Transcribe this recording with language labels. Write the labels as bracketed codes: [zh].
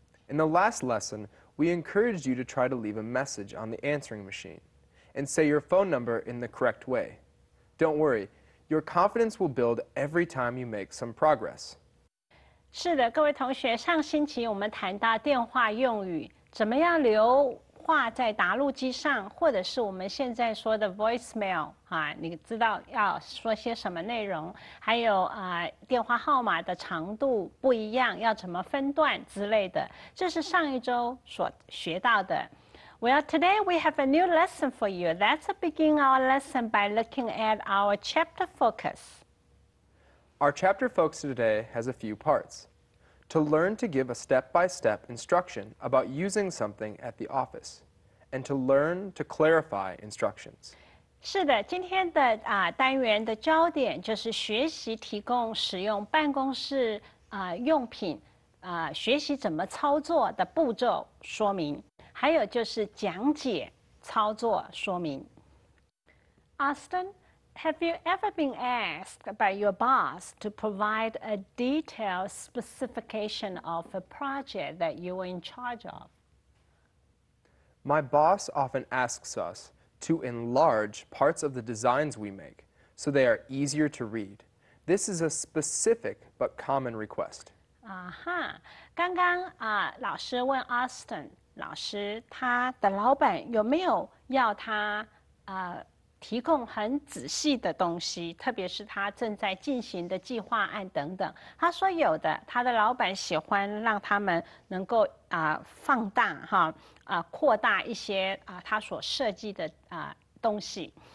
[en] In the last lesson, we encouraged you to try to leave a message on the answering machine and say your phone number in the correct way. Don't worry, your confidence will build every time you make some progress. [zh] 是的，各位同学，上星期我们谈到电话用语，怎么样留话在答录机上，或者是我们现在说的 voicemail 啊，你知道要说些什么内容，还有啊，电话号码的长度不一样，要怎么分段之类的，这是上一周所学到的。 [en] Well, today we have a new lesson for you. Let's begin our lesson by looking at our chapter focus. Our chapter focus today has a few parts. To learn to give a step-by-step instruction about using something at the office, and to learn to clarify instructions. [zh] 是的，今天的啊单元的焦点就是学习提供使用办公室啊用品啊学习怎么操作的步骤说明，还有就是讲解操作说明。 [en] Austin, have you ever been asked by your boss to provide a detailed specification of a project that you are in charge of? My boss often asks us to enlarge parts of the designs we make so they are easier to read. This is a specific but common request. [zh] 刚刚老师问 Austin, 老师他的老板有没有要他提供很仔细的东西，特别是他正在进行的计划案等等。他说有的，他的老板喜欢让他们能够放大哈扩大一些他所设计的东西。